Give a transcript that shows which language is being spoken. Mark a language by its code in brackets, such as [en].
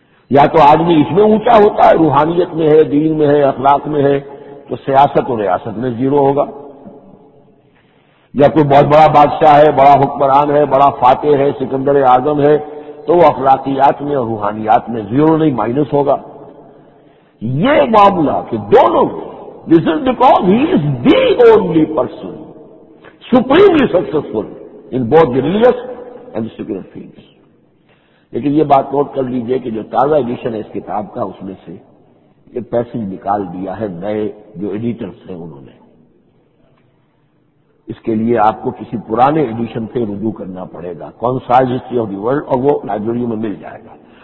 [ur] یا تو آدمی اس میں اونچا ہوتا ہے, روحانیت میں ہے, دین میں ہے, اخلاق میں ہے, تو سیاست اور ریاست میں زیرو ہوگا. یا کوئی بہت بڑا بادشاہ ہے, بڑا حکمران ہے, بڑا فاتح ہے, سکندر اعظم ہے, تو وہ اخلاقیات میں اور روحانیات میں زیرو نہیں, مائنس ہوگا. یہ معاملہ کہ دونوں, [en] This is because he is the only person supremely successful in both the religious and secular fields. [ur] لیکن یہ بات نوٹ کر لیجئے کہ جو تازہ ایڈیشن ہے اس کتاب کا, اس میں سے ایک پیسج نکال دیا ہے نئے جو ایڈیٹرز ہیں انہوں نے. اس کے لیے آپ کو کسی پرانے ایڈیشن سے رجوع کرنا پڑے گا, concise history of the world, اور وہ لائبریری میں مل جائے گا.